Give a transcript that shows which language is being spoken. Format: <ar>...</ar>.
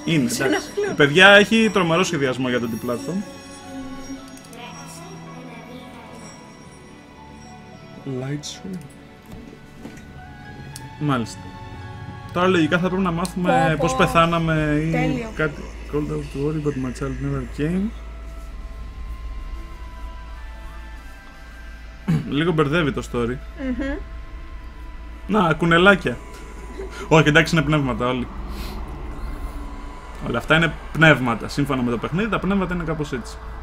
<el>Είναι, εντάξει. Η παιδιά έχει τρομερό σχεδιασμό για το D-Platform.</el> <en>Lights.</en> <el>Μάλιστα. Τώρα λογικά θα πρέπει να μάθουμε πώς πεθάναμε ή κάτι.</el> <en>Called out to worry, but my child never came.</en> <el>Λίγο μπερδεύει το story. Να, κουνελάκια. Όχι, εντάξει, είναι πνεύματα όλοι. Όλα αυτά είναι πνεύματα, σύμφωνα με το παιχνίδι. Τα πνεύματα είναι κάπως έτσι.</el>